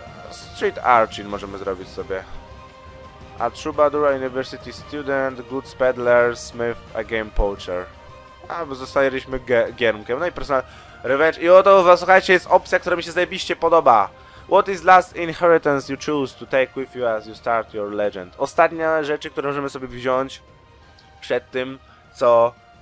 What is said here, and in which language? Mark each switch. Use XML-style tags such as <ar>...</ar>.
<en>Street Archin</en> <pl>możemy zrobić sobie.</pl> <en>A Troubadour University Student, Good Peddler, Smith, a Game Poacher.</en> <pl>A, bo zostaliśmy giermkiem, no i personal revenge. I oto, słuchajcie, jest opcja, która mi się zajebiście podoba.</pl> <en>What is last inheritance you choose to take with you as you start your legend?</en> <pl>Ostatnia rzeczy, które możemy sobie wziąć przed tym, co...</pl>